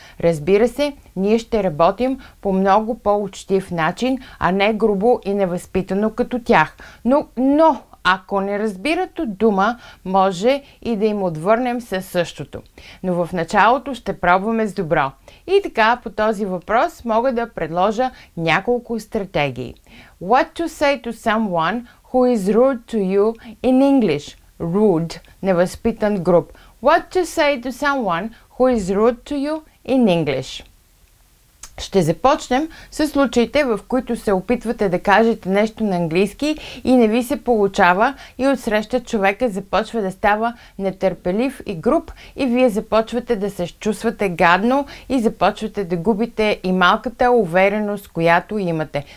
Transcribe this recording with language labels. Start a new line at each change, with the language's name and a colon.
Bulgarian: Разбира се, ние ще работим по много по-учтив начин, а не грубо и невъзпитано като тях. Но, ако не разбират от дума, може и да им отвърнем със същото. Но в началото ще пробваме с добро. И така, по този въпрос мога да предложа няколко стратегии.
English: What to say to someone who is rude to you in English?
Bulgarian: Rude, невъзпитан, груб.
English: What to say to someone who is rude to you in English?
Bulgarian: Ще започнем с случаите, в които се опитвате да кажете нещо на английски и не ви се получава и отсреща човека започва да става нетърпелив и груб и вие започвате да се чувствате гадно и започвате да губите и малката увереност, която имате.